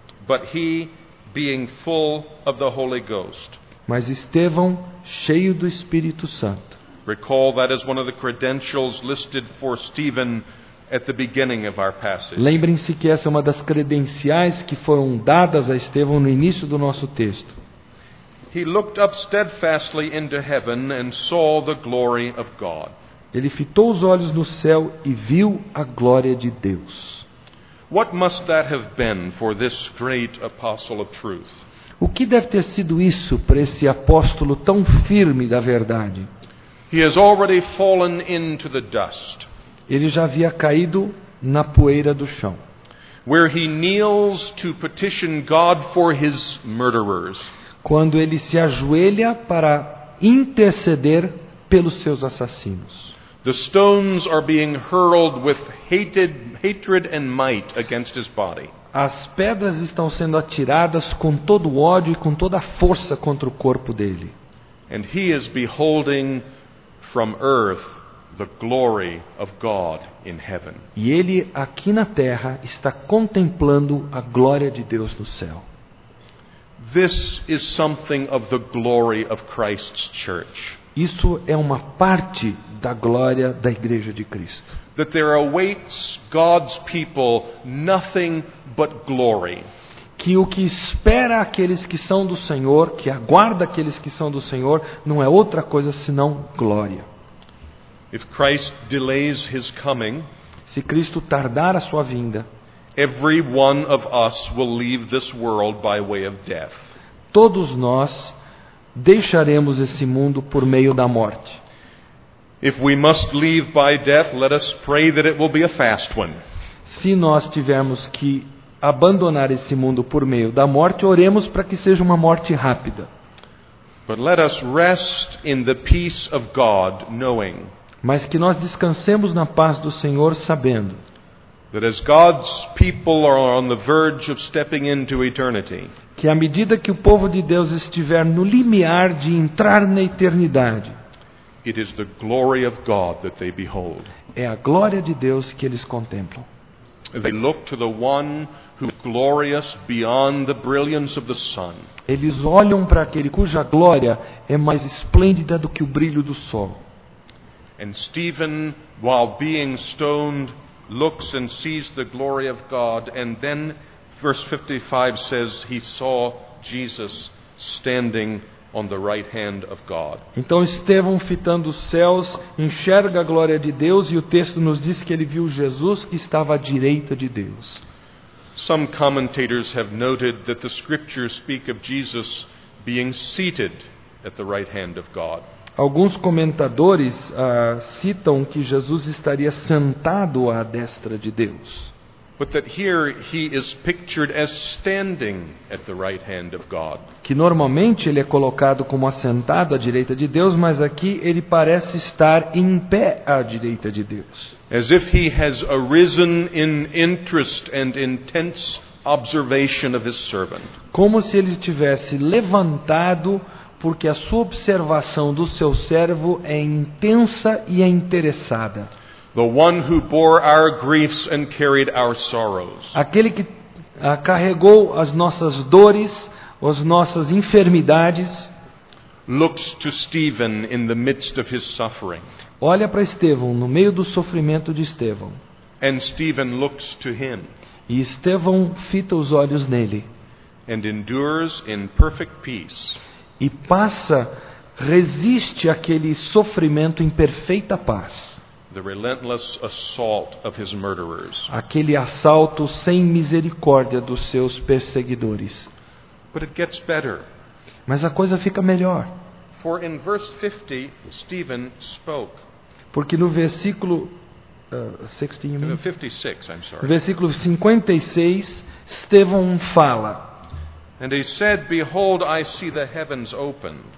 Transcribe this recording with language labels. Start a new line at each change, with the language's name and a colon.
English: But he being full of the Holy Ghost.
Portuguese: Mas Estevão, cheio do Espírito Santo.
English: Recall that is one of the credentials listed for Stephen at the beginning of our passage.
Portuguese: Lembrem-se que essa é uma das credenciais que foram dadas a Estevão no início do nosso texto.
English: He looked up steadfastly into heaven and saw the glory of God.
Portuguese: Ele fitou os olhos no céu e viu a glória de Deus.
English: What must that have been for this great apostle of truth?
Portuguese: O que deve ter sido isso para esse apóstolo tão firme da verdade?
English: He has already fallen into the dust.
Portuguese: Ele já havia caído na poeira do chão.
English: Where he kneels to petition God for his murderers.
Portuguese: Quando ele se ajoelha para interceder pelos seus assassinos.
English: The stones are being hurled with hatred and might against his body.
Portuguese: As pedras estão sendo atiradas com todo o ódio e com toda a força contra o corpo dele.
English: And he is beholding from earth the glory of God in heaven.
Portuguese: E ele aqui na terra está contemplando a glória de Deus no céu.
English: This is something of the glory of Christ's church.
Portuguese: Isso é uma parte da glória da Igreja de Cristo.
English: That there awaits God's people nothing but glory.
Portuguese: Que o que espera aqueles que são do Senhor, que aguarda aqueles que são do Senhor, não é outra coisa senão glória.
English: If Christ delays his coming,
Portuguese: se Cristo tardar a sua vinda,
English: every one of us will leave this world by way of death.
Portuguese: Todos nós deixaremos esse mundo por meio da morte.
English: If we must leave by death, let us pray that it will be a fast one.
Portuguese: Se nós tivermos que abandonar esse mundo por meio da morte, oremos para que seja uma morte rápida.
English: But let us rest in the peace of God, knowing.
Portuguese: Mas que nós descansemos na paz do Senhor, sabendo.
English: That as God's people are on the verge of stepping into eternity.
Portuguese: Que à medida que o povo de Deus estiver no limiar de entrar na eternidade,
English: it is the glory of God that they behold.
Portuguese: É a glória de Deus que eles contemplam.
English: They look to the one who is glorious beyond the brilliance of the sun.
Portuguese: Eles olham para aquele cuja glória é mais esplêndida do que o brilho do sol.
English: And Stephen, while being stoned, looks and sees the glory of God, and then verse 55 says he saw Jesus standing on the right hand of God.
Portuguese: Então Estevão, fitando os céus, enxerga a glória de Deus, e o texto nos diz que ele viu Jesus que estava à direita de Deus.
English: Some commentators have noted that the scriptures speak of Jesus being seated at the right hand of God.
Portuguese: Alguns comentadores citam que Jesus estaria sentado à destra de Deus.
English: But that here he is pictured as standing at the right hand of God.
Portuguese: Que normalmente ele é colocado como assentado à direita de Deus, mas aqui ele parece estar em pé à direita de Deus.
English: As if he has arisen in interest and intense observation of his servant.
Portuguese: Como se ele tivesse levantado porque a sua observação do seu servo é intensa e é interessada.
English: The one who bore our griefs and carried our sorrows.
Portuguese: Aquele que carregou as nossas dores, as nossas enfermidades.
English: Looks to Stephen in the midst of his suffering.
Portuguese: Olha para Estevão no meio do sofrimento de Estevão.
English: And Stephen looks to him.
Portuguese: E Estevão fita os olhos nele.
English: And endures in perfect peace.
Portuguese: E passa, resiste àquele sofrimento em perfeita paz.
English: The relentless assault of his murderers.
Portuguese: Aquele assalto sem misericórdia dos seus perseguidores.
English: But it gets better.
Portuguese: Mas a coisa fica melhor.
English: For in verse 50, Stephen spoke.
Portuguese: Porque no versículo
English: 56, I'm sorry.
Portuguese: Versículo 56, Estevão fala.
English: And he said, "Behold, I see the heavens opened."